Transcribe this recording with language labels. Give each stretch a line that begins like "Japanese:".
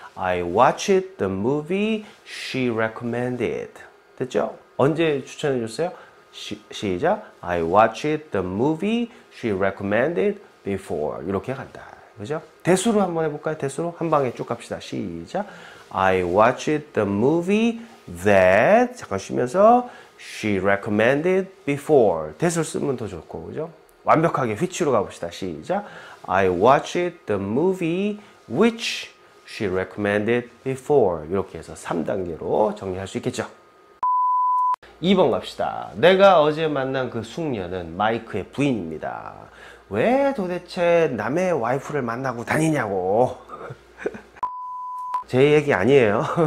English: I watch it the movie she recommended.
Korean: 됐죠? 언제 추천해 줬어요? 시작.
English: I watched the movie she recommended before.
Korean: 이렇게 간다. 그죠? 대수로 한번 해볼까요? 대수로 한 방에 쭉 갑시다. 시작.
English: I watched the movie that
Korean: 잠깐 쉬면서
English: she recommended before.
Korean: 대수를 쓰면 더 좋고, 그죠? 완벽하게 which로 가봅시다. 시작.
English: I watched the movie which she recommended before.
Korean: 이렇게 해서 3단계로 정리할 수 있겠죠? 2번 갑시다. 내가 어제 만난 그 숙녀는 마이크의 부인입니다. 왜 도대체 남의 와이프를 만나고 다니냐고. 제 얘기 아니에요.